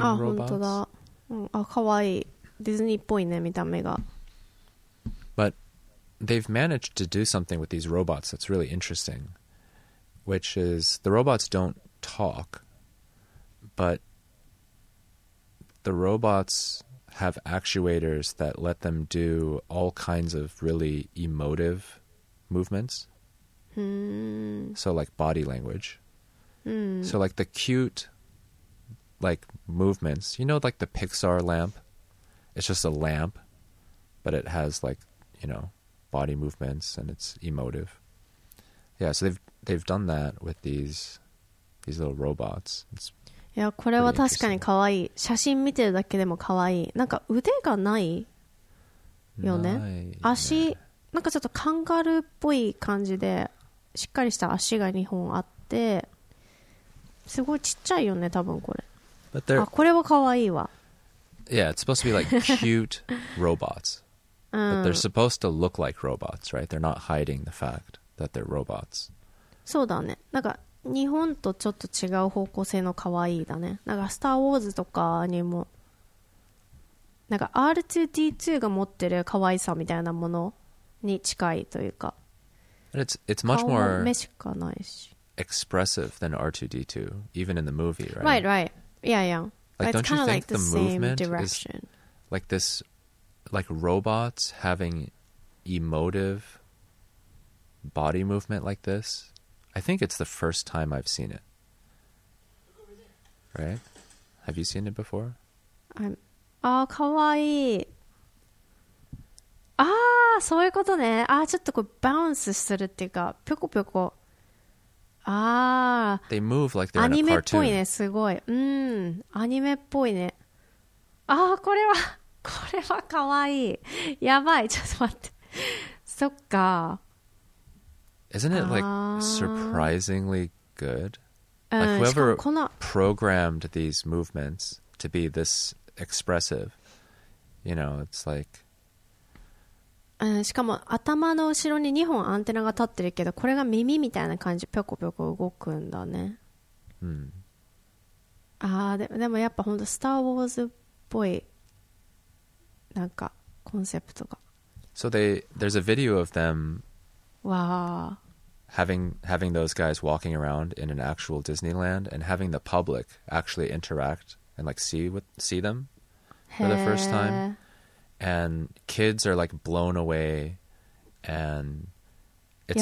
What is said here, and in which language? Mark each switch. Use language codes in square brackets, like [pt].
[ja] あ、本当だ。うん、あ、かわいい。ディズニーっぽいね、見た目が。 [en] But they've managed to do something with these robots that's really interesting, which is the robots don't talk, but the robots have actuators that let them do all kinds of really emotive movements. So like body language. So like the cute like movements, you know, like the Pixar lamp. It's just a lamp, but it has like, you know, body movements and it's emotive. Yeah, so they've done that with these little robots. It's [ja] いや、これは確かに可愛い。写真見てるだけでも可愛い。なんか腕がないよね。足、なんかちょっとカンガルーっぽい感じで、しっかりした足が2本あって、すごいちっちゃいよね、多分これ。 [en] But they're... [ja] あ、これは可愛いわ。 [en] Yeah, it's supposed to be like cute robots. But they're supposed to look like robots, right? They're not hiding the fact that they're robots. [ja] そうだね。なんか日本とちょっと違う方向性の可愛いだね。なんかスターウォーズとかにもなんか R2-D2 が持ってる可愛さみたいなものに近いというか。 [en] And it's much more [ja] 顔も目しかないし [en] expressive than R2-D2, even in the movie, right? Right, right. Yeah, yeah. Like, don't you think like the movement same direction. Is like this, like robots having emotive body movement like this? I think it's the first time I've seen it. Right? Have you seen it before? [ja] ああ、かわいい。ああ、そういうことね。ああ、ちょっとこうバウンスするっていうか、ぴょこぴょこ。ああ、 [en] They move like they're [ja] アニメっぽいね、すごい。うん、アニメっぽいね。ああ、これはかわいい。やばい、ちょっと待って。そっか。 [en] Isn't it like surprisingly good? Like whoever programmed these movements to be this expressive, you know, it's like... [ja] しかも頭の後ろに2本アンテナが立ってるけど、これが耳みたいな感じ、ぴょこぴょこ動くんだね。ああ、でもやっぱほんとスターウォーズっぽい、なんかコンセプトが。 [en] So there's a video of them [ja] わあ。 [en] Having those guys walking around in an actual Disneyland and having the public actually interact and like see them for the first time. And kids are like blown away and it's